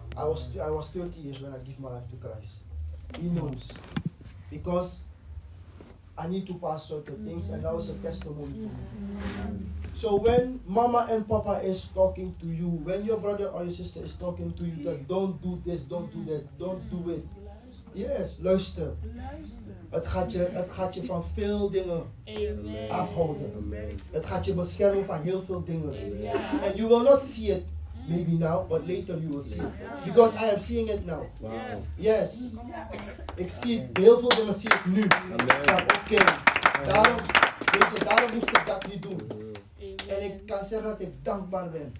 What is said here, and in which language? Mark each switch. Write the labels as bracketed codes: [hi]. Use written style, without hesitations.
[en] I was 30 years when I gave my life to Christ. He knows. Because I need to pass certain things, and that was a testimony for me. So when mama and papa is talking to you, when your brother or your sister is talking to you, that don't do this, don't do that, don't do it. Yes, [nl] luister. Het gaat je van veel dingen afhouden. Het gaat je beschermen van heel veel dingen. [en] And you will not see it. Maybe now, but later you will see. Yeah. Because I am seeing it now. Wow. Yes. [nl] Ik zie het. Heel veel dingen zie ik nu. Oké. Daarom moest ik dat niet doen. Amen. En ik kan zeggen dat ik dankbaar ben.